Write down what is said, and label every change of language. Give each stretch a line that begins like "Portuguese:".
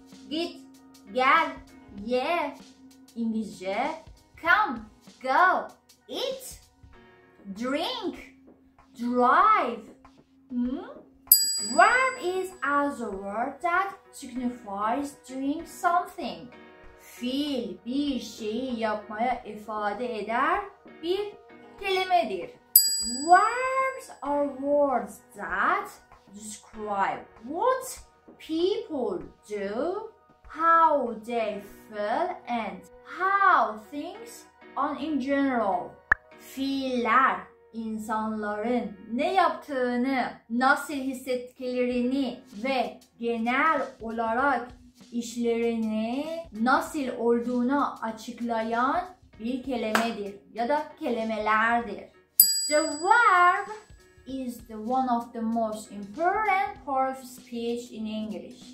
Turkish: Git, gel, ye, İngilizce,
English: come, go, eat, drink, drive, Verb is as a word that signifies doing something.
Turkish: Fiil bir şeyi yapmaya ifade eder bir kelimedir.
English: Verbs are words that describe what people do, how they feel and how things are in general.
Turkish: Fiiller İnsanların ne yaptığını, nasıl hissettiklerini ve genel olarak işlerini nasıl olduğunu açıklayan bir kelimedir ya da kelimelerdir.
English: The verb is the one of the most important part of speech in English.